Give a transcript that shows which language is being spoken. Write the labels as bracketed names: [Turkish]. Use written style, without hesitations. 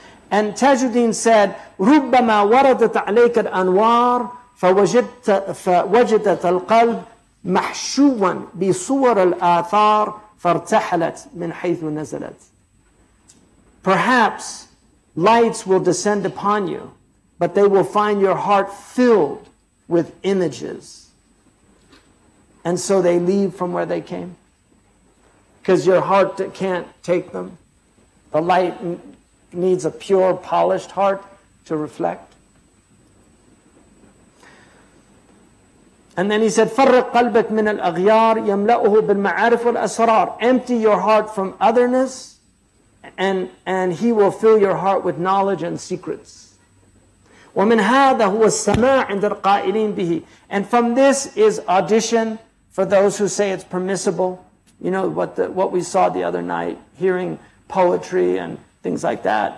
[English] And Tajuddin said, [Arabic] رُبَّمَا وَرَدَتْ عَلَيْكَ الْأَنْوَارِ فَوَجِدَتَ الْقَلْبِ مَحْشُوًا بِصُوَرَ الْآثَارِ فَارْتَحَلَتْ مِنْ حَيْثُ نَزَلَتْ. [English] Perhaps lights will descend upon you, but they will find your heart filled with images. And so they leave from where they came, because your heart can't take them. The light needs a pure, polished heart to reflect. And then he said, [Arabic] فَرِّقْ قَلْبَكْ مِنَ الْأَغْيَارِ يَمْلَأُهُ بِالْمَعَارِفِ وَالْأَسْرَارِ. [English] Empty your heart from otherness, and he will fill your heart with knowledge and secrets. [Arabic] وَمِنْ هَذَا هُوَ السَّمَاعِ عِنْدَ الْقَائِلِينَ بِهِ. [English] And from this is audition for those who say it's permissible. You know, what we saw the other night, hearing poetry and things like that.